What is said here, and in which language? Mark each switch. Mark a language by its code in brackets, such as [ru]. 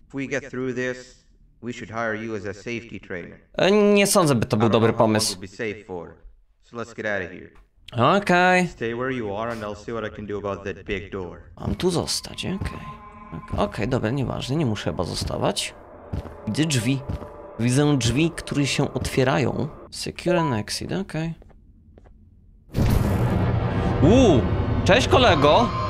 [en] If we get through this, we should hire you as a safety trainer. [pl] Nie sądzę, by to był dobry pomysł. [en] Let's get out of here. Okay. Stay where you are and I'll see what I can do about that big door. [pl] Mam tu zostać, okej. Okej, dobra, nieważne, nie muszę chyba zostawać. Widzę drzwi. Widzę drzwi, które się otwierają. [en] Secure and exit, [pl] okej. Cześć kolego!